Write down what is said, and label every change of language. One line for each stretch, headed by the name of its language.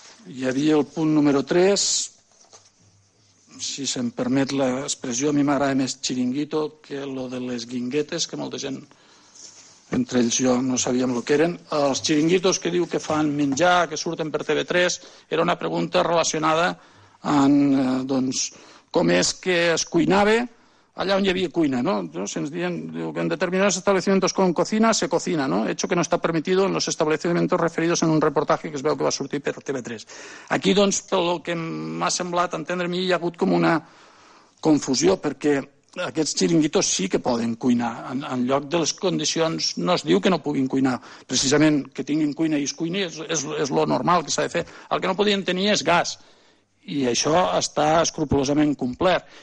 Catalan: Hi havia el punt número 3, si se'm permet l'expressió, a mi m'agrada més xiringuito que lo de les guinguetes, que molta gent, entre ells jo, no sabíem lo que eren. Els xiringuitos que diu que fan menjar, que surten per TV3, era una pregunta relacionada amb doncs, com és que es cuinava allà on hi havia cuina, no? Se'ns diuen que
Spanish: en determinats establecimientos con cocina se cocina, no? Hecho que no está permitido en los establecimientos referidos en un reportaje
Catalan: que es veu que va sortir per TV3. Aquí, doncs, pel que m'ha semblat entendre a mi, hi ha hagut com una confusió, perquè aquests xiringuitos sí que poden cuinar. En lloc de les condicions, no es diu que no puguin cuinar. Precisament que tinguin cuina i es cuini és lo normal que s'ha de fer. El que no podien tenir és gas. I això està escrupulosament complert.